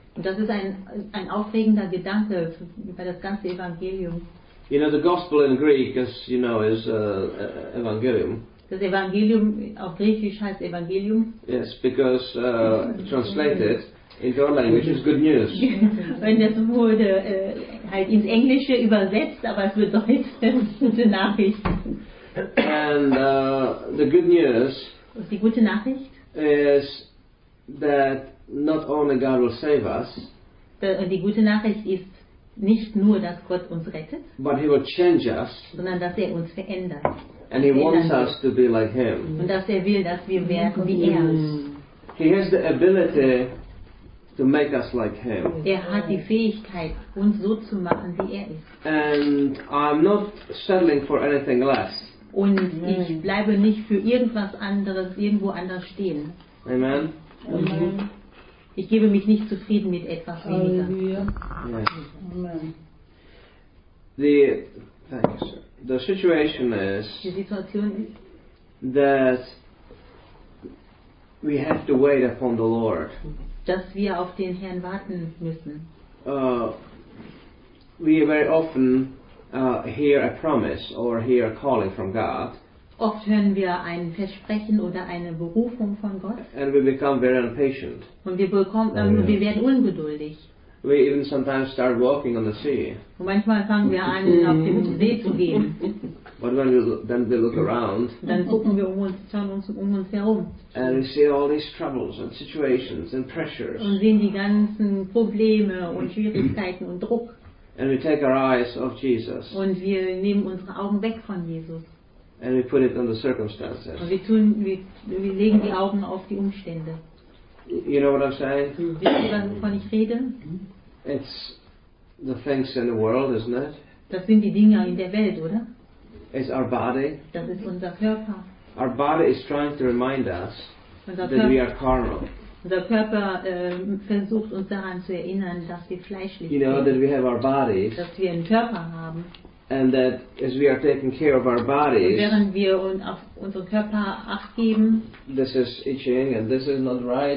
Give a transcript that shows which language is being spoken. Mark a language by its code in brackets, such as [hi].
[de] Das ist ein aufregender Gedanke über das ganze Evangelium. [en] You know, the gospel in Greek is, you know, is Evangelium. [de] Das Evangelium auf Griechisch heißt Evangelium. [en] Yes, because translated into our language is good news. [de] Und das wurde halt ins Englische übersetzt, aber es bedeutet gute Nachricht. [en] And the good news, [de] die gute Nachricht, [en] is that not only God will save us, [de] die gute Nachricht ist nicht nur, dass Gott uns rettet, [en] but he will change us, [de] sondern dass er uns verändert. [en] And he wants us to be like him. [de] Und dass er will, dass wir werden wie er. [en] He has the ability to make us like him. [de] Er hat die Fähigkeit, uns so zu machen, wie er ist. [en] And I'm not settling for anything less. [de] Und ich bleibe nicht für irgendwas anderes irgendwo anders stehen. Amen. Ich gebe mich nicht zufrieden mit etwas weniger. [en] Yes. Amen. Thank you, sir. The situation is, [de] die Situation ist, [en] that we have to wait upon the Lord. [de] Dass wir auf den Herrn warten müssen. [en] We very often hear a promise or hear a calling from God. [de] Oft hören wir ein Versprechen oder eine Berufung von Gott. [en] And we become very impatient. [de] Und wir werden ungeduldig. [en] We even sometimes start walking on the sea. [de] Und manchmal fangen wir an, auf dem See zu gehen. [en] But when we look around, [de] dann gucken wir um uns herum. [en] And we see all these troubles and situations and pressures. [de] Und sehen die ganzen Probleme und Schwierigkeiten und Druck. [en] And we take our eyes off Jesus. [de] Und wir nehmen unsere Augen weg von Jesus. [en] And we put it on the circumstances. [de] Und wir legen die Augen auf die Umstände. [en] You know what I'm saying? [de] Wisst ihr, wovon ich rede? [en] It's the things in the world, isn't it? [de] Das sind die Dinge in der Welt, oder? [en] It's our body. [de] Das ist unser Körper. [en] Our body is trying to remind us that we are carnal. [de] Unser Körper versucht uns daran zu erinnern, dass wir fleischlich sind. [en] You know, that we have our bodies. [de] Dass wir einen Körper haben. [en] And that as we are taking care of our bodies, [de] während wir auf unseren Körper Acht geben, [en] this is itching and this is not right,